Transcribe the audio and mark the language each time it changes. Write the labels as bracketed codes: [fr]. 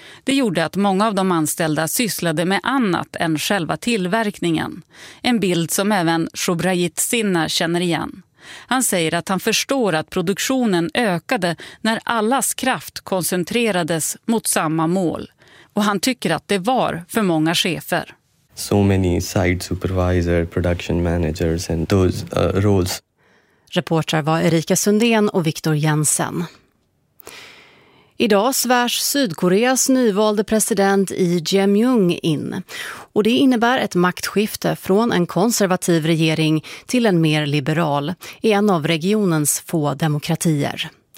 [sv] Det gjorde att många av de anställda sysslade med annat än själva tillverkningen. En bild som även Shobrajit Sinna känner igen. Han säger att han förstår att produktionen ökade när allas kraft koncentrerades mot samma mål. Och han tycker att det var för många chefer. [en] So many site supervisor, production managers and those roles. [sv] Reportrar var Erika Sundén och Viktor Jensen. Idag svärs Sydkoreas nyvalde president Lee Jae-myung in. Och det innebär ett maktskifte från en konservativ regering till en mer liberal i en av regionens få demokratier.